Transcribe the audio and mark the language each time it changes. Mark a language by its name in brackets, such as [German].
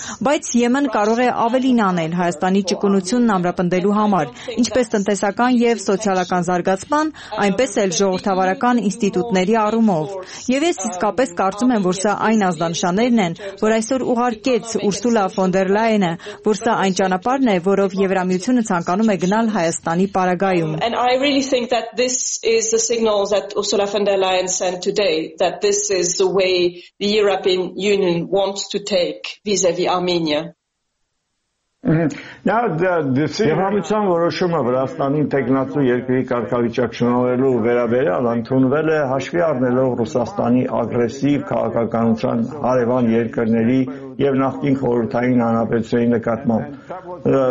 [Armenian] Բայց ԵՄ-ն կարող է ավելին անել Հայաստանի ճկունությունն ամրապնդելու համար, ինչպես տնտեսական և սոցիալական զարգացման, այնպես էլ ժողովրդավարական ինստիտուտների առումով։ Եվ ես իսկապես կարծում եմ, որ սա այն ազդանշաններն են, որ այսօր ուղարկեց Ուրսուլա ֆոն դեր Լայենը, որ սա այն ճանապարհն է, որով Եվրամիությունը ցանկանում է գնալ Հայաստանի պարագայում. [English] And I really think that this is the signal that Ursula von der Leyen sent today, that this is the way the European Union wants to take vis-à-vis Armenia. Now the [Armenian] Եվրամիության որոշումը Վրաստանի ինտեգրացու երկրի կարգավիճակ շնորհելու վերաբերյալ ընդունվել է հաշվի առնելով Ռուսաստանի ագրեսիվ քաղաքականության հարևան երկրների և նախկին խորհրդային հանրապետության նկատմամբ։